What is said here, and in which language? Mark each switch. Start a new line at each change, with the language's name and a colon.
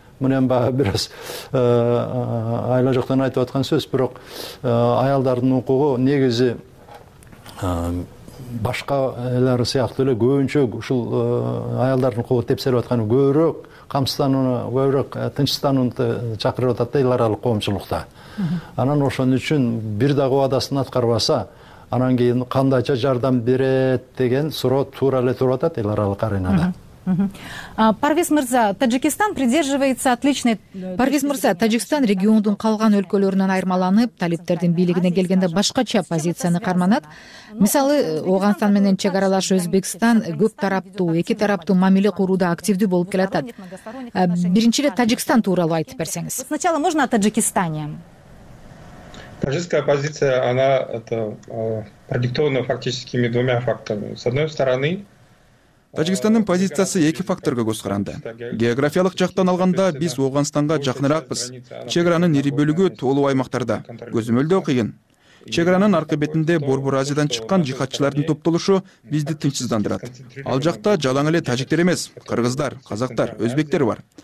Kyrgyz: Муну эми баягы бир аз айла жоктон айтып аткан сөз, бирок аялдардын укугу негизи башка элдер сыяктуу эле көбүнчө ушул аялдардын укугу тепселип атканы көбүрөөк камсыздануну, көбүрөөк тынчсыздануну чакырып атат да эл аралык коомчулукта. Анан ошон үчүн бир дагы убадасын аткарбаса, анан кийин кандайча жардам берет деген суроо туура эле туруп атат эл аралык аренада. Парвиз мырза,
Russian: Таджикистан придерживается отличной...
Kyrgyz: Парвиз мырза, Таджикистан региондун калган өлкөлөрүнөн айырмаланып, талиптердин бийлигине келгенде башкача позицияны карманат. Мисалы, Ооганстан менен чек аралаш Өзбекстан көп тараптуу, эки тараптуу мамиле курууда активдүү болуп келатат. Биринчи эле Таджикистан тууралуу айтып берсеңиз.
Russian: Сначала можно о Таджикистане. Таджикская позиция, она продиктована фактическими двумя факторами. С одной стороны,
Kyrgyz: Таджикстандын позициясы эки факторго көз каранды. Географиялык жактан алганда биз Ооганстанга жакыныраакбыз. Чек аранын ири бөлүгү тоолуу аймактарда, көзөмөлдөө кыйын. Чек аранын аркы бетинде Борбор Азиядан чыккан жихатчылардын топтолушу бизди тынчсыздандырат. Ал жакта жалаң эле тажиктер эмес, кыргыздар, казактар, өзбектер бар.